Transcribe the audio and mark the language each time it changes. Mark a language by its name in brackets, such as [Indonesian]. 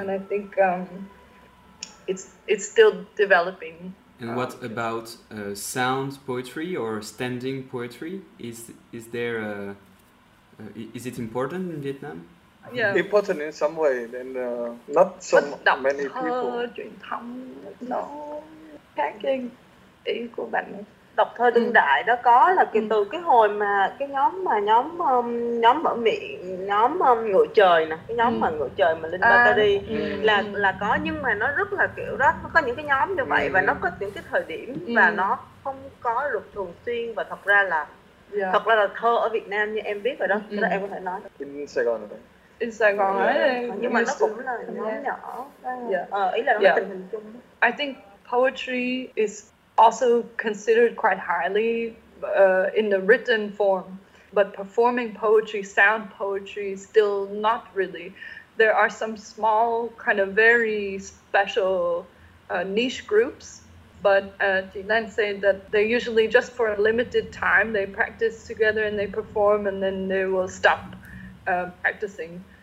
[English] And I think it's still developing. And what about sound poetry or standing poetry? Is there is it important in Vietnam? Yeah. Important in some way, and not so many people. [Vietnamese] Truyền thống, no. Khác cái ý của bạn đọc thơ đương đại đó, có là kiểu từ cái hồi mà cái nhóm mà nhóm nhóm mở miệng, nhóm ngựa trời nè, cái nhóm mà ngựa trời mà Linh Bacardi là có, nhưng mà nó rất là kiểu đó, nó có những cái nhóm như vậy và nó có những cái thời điểm và nó không có được thường xuyên. Và thật ra là thật ra là thơ ở Việt Nam như em biết rồi đó, cái đó em có thể nói in Sài Gòn rồi đấy. In Sài Gòn ấy, nhưng mà nó cũng là nhóm nhỏ. Ý là nó tình hình chung. [English] I think poetry is also considered quite highly in the written form, but performing poetry, sound poetry, still not really. There are some small, kind of very special niche groups, but Chị Lan say that they usually just for a limited time, they practice together and they perform, and then they will stop practicing.